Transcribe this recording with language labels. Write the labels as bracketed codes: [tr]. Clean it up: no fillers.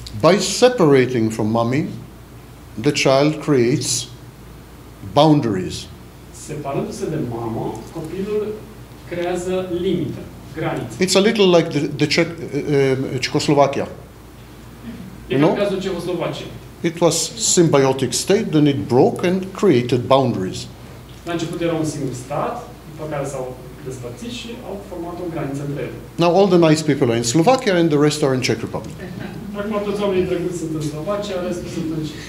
[en] By separating from mommy, the child creates boundaries. [ro] Separându-se de mamă, copilul creează limite, granițe. [en] It's a little like the Czechoslovakia. You know? [ro] Cazul Cehoslovaciei. [en] It was symbiotic state, then it broke and created boundaries. [ro] La început era un singur stat, pe care s-au despărțit și au format o graniță între ele. [en] Now all the nice people are in Slovakia and the rest are in Czech Republic. [ro] Acum toți oamenii trecuți sunt în Slovacia, restul sunt în